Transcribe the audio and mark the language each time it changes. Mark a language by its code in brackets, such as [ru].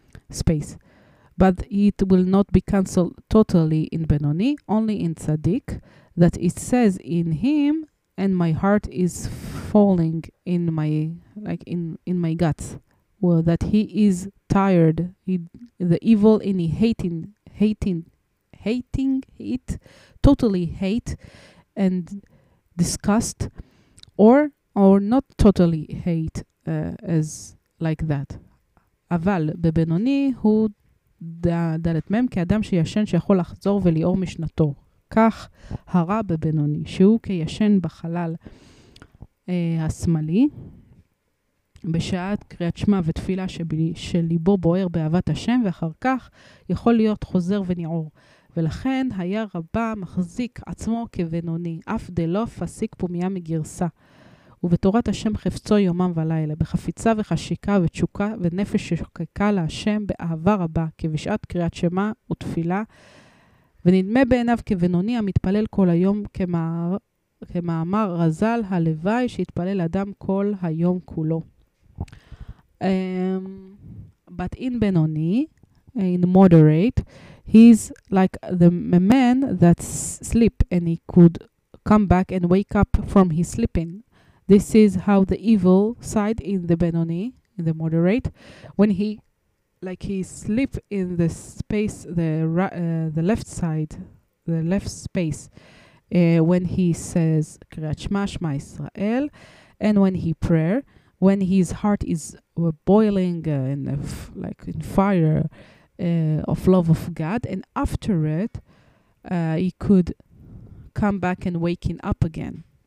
[en] space, but it will not be canceled totally in Benoni, only in Tzaddik, that it says in him, and my heart is falling in my, like in my guts, well, that he is tired, the evil in him, hating it, totally hate and disgust, or not totally hate as like that. [he] אבל בבינוני הוא דלת מם, כאדם שישן שיכול לחזור וליאור משנתו. כך הרע בבינוני, שהוא כישן בחלל השמאלי, בשעת קריאת שמה ותפילה שליבו בוער באהבת השם, ואחר כך יכול להיות חוזר וניעור. ולכן היה רבה מחזיק עצמו כבינוני, אף דלא פסיק פומיה מגרסה. ובתורת השם חפצו יומם ולילה, בחפיצה וחשיקה ותשוקה ונפש ששוקקה להשם באהבה רבה, כבשעת קריאת שמה ותפילה, ונדמה בעיניו כבנוני המתפלל כל היום כמאמר רזל, הלוואי שהתפלל אדם כל היום כולו. [en] But in בנוני, in moderate, he's like the man that sleep and he could come back and wake up from his sleeping. This is how the evil side in the Benoni, in the moderate, when he, like he sleep in the space, the left side, the left space, when he says Kriyat Shema, Shema Israel, and when he prayer, when his heart is boiling in fire of love of God, and after it, he could come back and waking up again.